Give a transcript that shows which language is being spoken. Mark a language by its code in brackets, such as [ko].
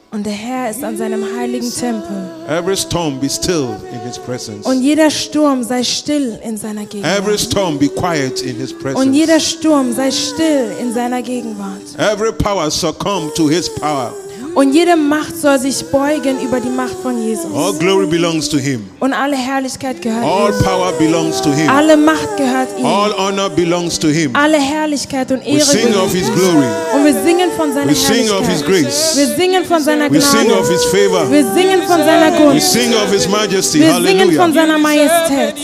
[de] Und der Herr ist an seinem heiligen Tempel. [en] Every storm be still in his presence. [de] Und jeder Sturm sei still in seiner Gegenwart. [en] Every storm be quiet in his presence. [de] Und jeder Sturm sei still in seiner Gegenwart. [en] Every power succumb to his power. [de] Und jede Macht soll sich beugen über die Macht von Jesus. [en] All glory belongs to him. [de] Und alle Herrlichkeit gehört ihm. [en] All power belongs to him. [de] Alle Macht gehört ihm. [en] All honor belongs to him. [de] Alle Herrlichkeit und Ehre gehört ihm. [en] We sing of his glory. [de] Und wir singen von seiner Herrlichkeit. [en] We sing of his grace. [de] Wir singen von seiner Gnade. [en] We sing of his favor. [de] Wir singen von seiner Gunst. [en] We sing of his majesty. [de] Wir singen von seiner Majestät.